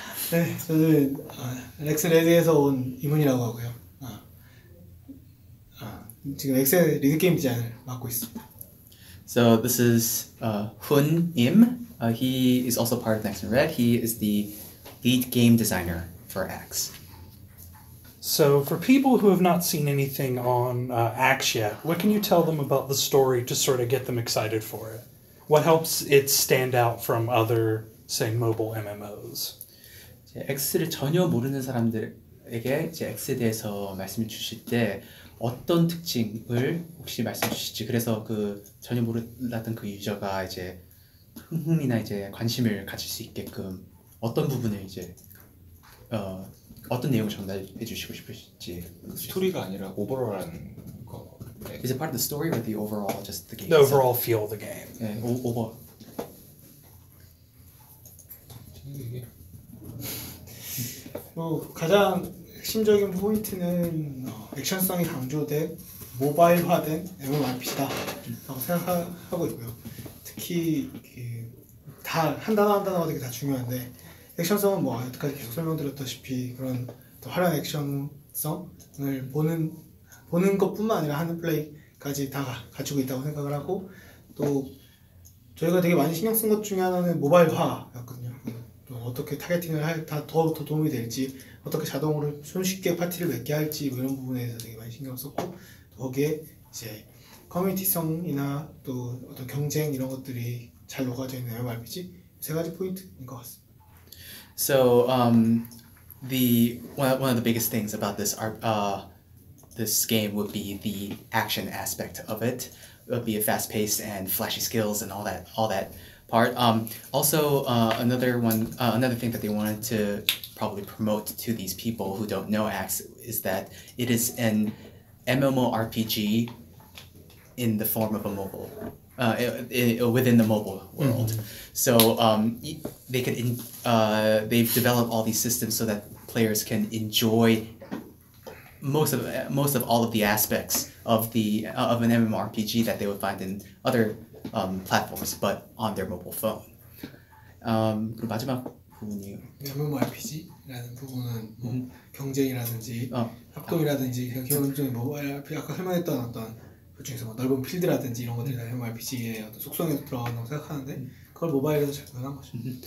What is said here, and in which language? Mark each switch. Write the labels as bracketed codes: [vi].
[ko] 네, 저는 넥슨레드에서 온 이문이라고 하고요. 지금 넥슨 리드게임 디자인을 맡고 있습니다. [en] So this is Hun Im. He is also part of Nexon Red. He is the lead game designer for X. So for people who have not seen anything on X yet, what can you tell them about the story to sort of get them excited for it? What helps it stand out from other, say, mobile MMOs? [ko] X를 전혀 모르는 사람들에게 이제 X에 대해서 말씀해 주실 때 어떤 특징을 혹시 말씀해 주실지, 그래서 그 전혀 몰랐던 그 유저가 이제 흥미나 이제 관심을 가질 수 있게끔 어떤 부분을 이제 어떤 내용을 전달해 주시고 싶으실지. 스토리가 아니라 오버롤한 거. [en] Is it part of the story or the overall just the game? The overall feel of the game. [ko] 네, 오버. 뭐 가장 핵심적인 포인트는 액션성이 강조된 모바일화된 MMORPG다 라고 생각하고 있고요. 특히 다 한 단어 한 단어가 되게 다 중요한데, 액션성은 뭐 여태까지 계속 설명드렸다시피 그런 더 화려한 액션성을 보는 것뿐만 아니라 하는 플레이까지 다 갖추고 있다고 생각을 하고, 또 저희가 되게 많이 신경 쓴 것 중에 하나는 모바일화였거든요. 어떻게 타겟팅을 더 도움이 될지, 어떻게 자동으로 손쉽게 파티를 맺게 할지, 뭐 이런 부분에 대해서 되게 많이 신경을 썼고, 거기에 이제 커뮤니티성이나 또 어떤 경쟁 이런 것들이 잘 녹아져 있는 MMORPG 세 가지 포인트인 것 같습니다. [en] So one of the biggest things about this this game would be the action aspect of it. It would be a fast pace and flashy skills and all that. Part. Another thing that they wanted to probably promote to these people who don't know Axe is that it is an MMORPG in the form of a mobile, within the mobile world. Mm-hmm. So they could they've developed all these systems so that players can enjoy most of all of the aspects of the of an MMORPG that they would find in other. Platforms, but on their mobile phone. [ko] 그리고 마지막 부분이요. MMORPG라는 부분은 뭐 경쟁이라든지 합동이라든지 기본적인 MMORPG 아까 설명했던 어떤 그 중에서 뭐 넓은 필드라든지 이런 것들이 다 MMORPG의 어떤 속성에 들어간다고 생각하는데 그걸 모바일에서 접근한 거죠.